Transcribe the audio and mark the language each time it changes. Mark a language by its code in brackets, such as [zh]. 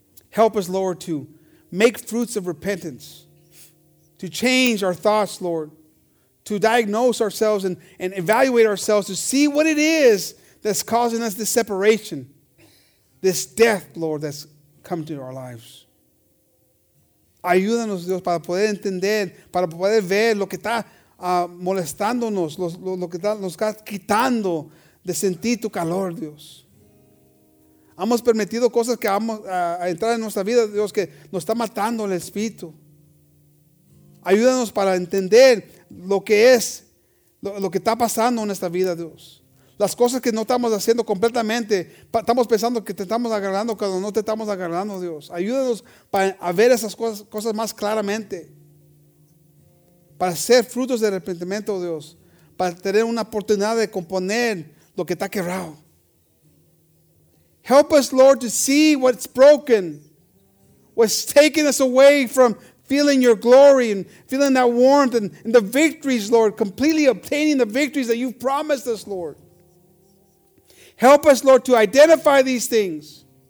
[en] Help us, Lord, to make fruits of repentance, to change our thoughts, Lord, to diagnose ourselves and evaluate ourselves to see what it is that's causing us this separation, this death, Lord, that's come to our lives. [es] Ayúdanos, Dios, para poder entender, para poder ver lo que está molestándonos, lo que está, nos está quitando de sentir tu calor, Dios. Hemos permitido cosas que vamos a entrar en nuestra vida, Dios, que nos está matando el espíritu. Ayúdanos para entender lo que es, lo que está pasando en esta vida, Dios. Las cosas que no estamos haciendo completamente, estamos pensando que te estamos agradando cuando no te estamos agradando, Dios. Ayúdanos a ver esas cosas más claramente. Para ser frutos de arrepentimiento, Dios. Para tener una oportunidad de componer lo que está quebrado. [en] Help us, Lord, to see what's broken. What's taking us away from feeling your glory and feeling that warmth and the victories, Lord. Completely obtaining the victories that you've promised us, Lord. Help us, Lord, to identify these things.